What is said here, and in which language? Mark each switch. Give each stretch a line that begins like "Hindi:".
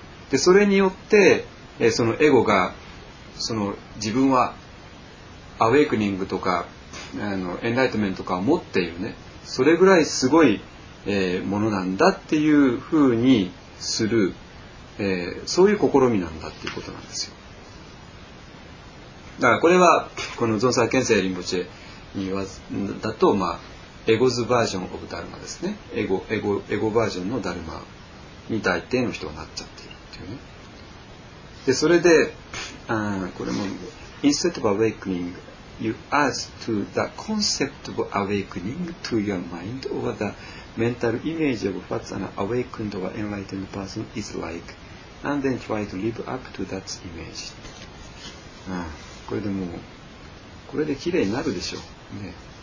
Japanese: でそれによって、そのエゴがその自分はアウェイクニングとかエンライトメントとかを持っているね、それぐらいすごい、ものなんだっていうふうにする、そういう試みなんだっていうことなんですよ。だからこれはこのゾンサー建設リンボチェに言わずだと、まあエゴズバージョンオブダルマですね、エゴバージョンのダルマに大抵の人がなっちゃっているっていうね。でそれで、これも
English: Instead of awakening you ask to the concept of awakening to your mind or the mental image of what an awakened or enlightened person is like and then try to live up to that image。
Japanese: これでもうこれで綺麗になるでしょうね。